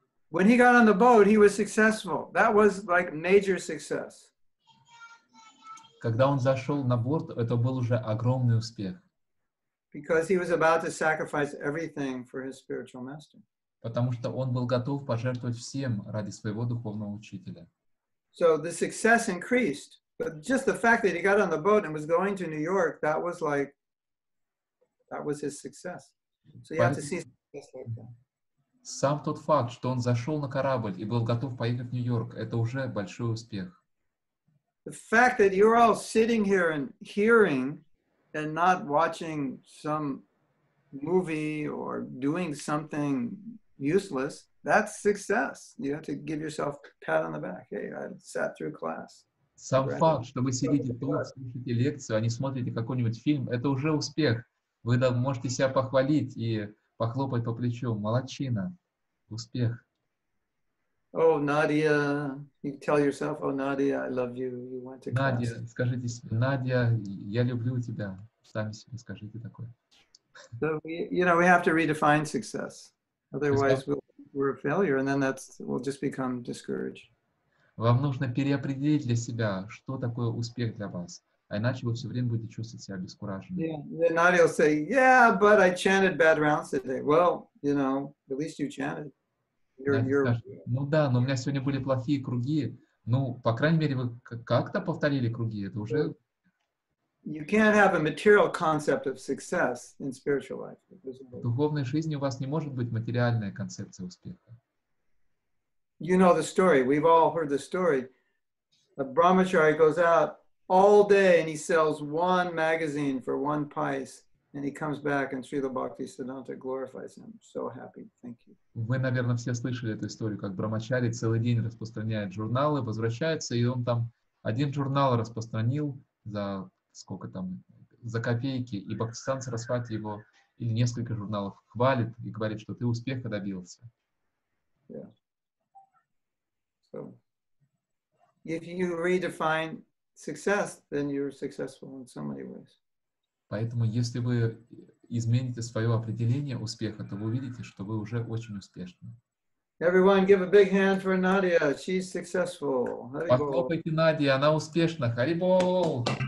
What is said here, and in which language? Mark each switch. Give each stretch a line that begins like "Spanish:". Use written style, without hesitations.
English: When he got on the boat, he was successful. That was like major success.
Russian: Когда он зашел на борт, это был уже огромный успех.
English: Because he was about to sacrifice everything for his spiritual master.
Russian: Потому что он был готов пожертвовать всем ради своего духовного учителя.
English: So the success increased. But just the fact that he got on the boat and was going to New York, that was his success. So you have to see success like that.
Russian: Сам тот факт, что он зашел на корабль и был готов поехать в Нью-Йорк, это уже большой успех.
English: The fact that you're all sitting here and hearing and not watching some movie or doing something useless, that's success. You have to give yourself a pat on the back. Hey, I sat through class.
Russian: Сам факт, что вы сидите тут, слушаете лекцию, а не смотрите какой-нибудь фильм, это уже успех. Вы можете себя похвалить и похлопать по плечу. Молодчина. Успех.
English: Oh, Nadia, you tell yourself, oh, Nadia, I love you. You went to class.
Russian: Nadia, скажите себе, Nadia, я люблю тебя. Сами себе скажите такое.
English: So, you know, we have to redefine success. Otherwise, we're a failure, and then we'll just become discouraged.
Russian: Вам нужно переопределить для себя, что такое успех для вас, а иначе вы все время будете чувствовать себя обескураженным.
English: Yeah, then Nadia will say, yeah, but I chanted bad rounds today. Well, you know, at least you chanted.
Russian: Ну да, но у меня сегодня были плохие круги. Ну, по крайней мере, вы как-то повторили круги. Это уже.
English: You can't have a material concept of success in spiritual life.
Russian: В духовной жизни у вас не может быть материальная концепция успеха.
English: You know the story. We've all heard the story. A brahmachari goes out all day and he sells one magazine for one paisa. And he comes back and Srila Bhaktisiddhanta glorifies him. So happy. Thank you.
Russian: Вы, наверное, все слышали эту историю, как брамачари целый день распространяет журналы, возвращается, и он там один журнал распространил за сколько там, за копейки, и Бхактисиддханта Сарасвати его или несколько журналов хвалит и говорит, что ты успеха добился.
English: Yeah. So if you redefine success, then you're successful in so many ways.
Russian: Поэтому если вы измените свое определение успеха, то вы увидите, что вы уже очень успешны.
English: Everyone give a big hand for Nadia. She's successful.
Russian: Похлопайте Надя, она успешна. Харибол!